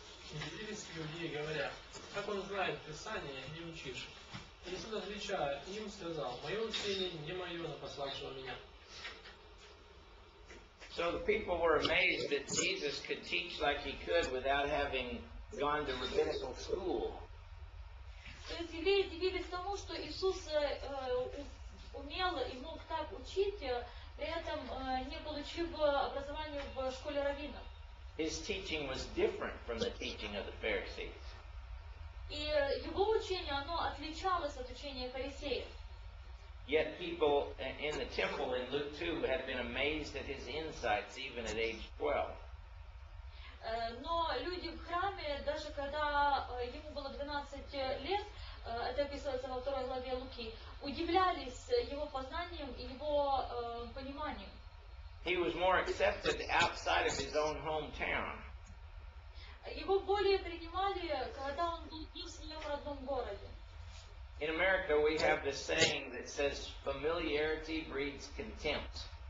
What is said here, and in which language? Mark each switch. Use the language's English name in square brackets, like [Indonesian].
[Russian] Удивились люди, говоря, как он знает Писание, не учишь. Иисус, отвечая им, сказал, мое учение не мое, но пославшего меня. [English] So the people were amazed that Jesus could teach like he could without having gone to rabbinical school. [Russian] То есть евреи удивились тому, что Иисус умел и мог так учить, при этом не получив образования в школе раввинов. [English] His teaching was different from the teaching of the Pharisees. [Russian] И его учение, оно отличалось от учения фарисеев. [English] Yet people in the temple in Luke 2 had been amazed at his insights even at age 12. [Russian] Но люди в храме, даже когда ему было 12 лет, это описывается во второй главе Луки, удивлялись его познанием и его пониманием. [English] He was more accepted outside of his own hometown. [Russian] Его более принимали, когда он был не в своем родном городе. [English] In America we have this saying that says familiarity breeds contempt.